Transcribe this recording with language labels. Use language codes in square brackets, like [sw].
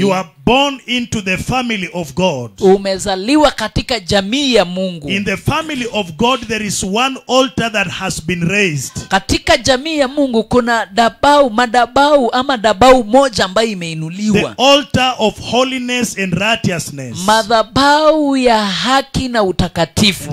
[en] You are born into the family of God. [sw] Umezaliwa katika jamii ya Mungu. [en] In the family of God there is one altar that has been raised. [sw] Katika jamii ya Mungu kuna dabau, madabau ama dabau moja ambayo imeinuliwa. [en] The altar of holiness and righteousness. [sw] Madhabahu ya haki na utakatifu.